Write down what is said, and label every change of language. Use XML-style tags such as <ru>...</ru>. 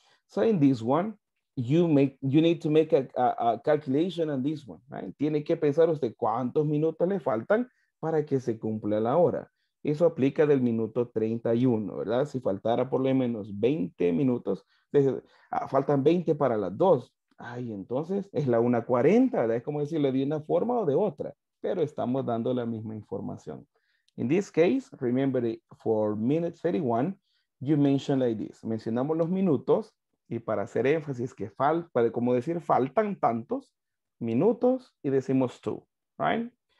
<en>So in this one, you need to make a calculation on this one, right?</en> <es>Tiene que pensar usted cuántos minutos le faltan para que se cumpla la hora. Eso aplica del minuto 31, ¿verdad? Si faltara por lo menos 20 minutos, faltan 20 para las 2. Ay, entonces es la 1:40, ¿verdad? Es como decirle de una forma o de otra, pero estamos dando la misma información.</es> <en>In this case, remember it, for minute 31, you mention like this.</en> <es>Mencionamos los minutos y para hacer énfasis que falta, como decir, faltan tantos minutos y decimos two, right?</es>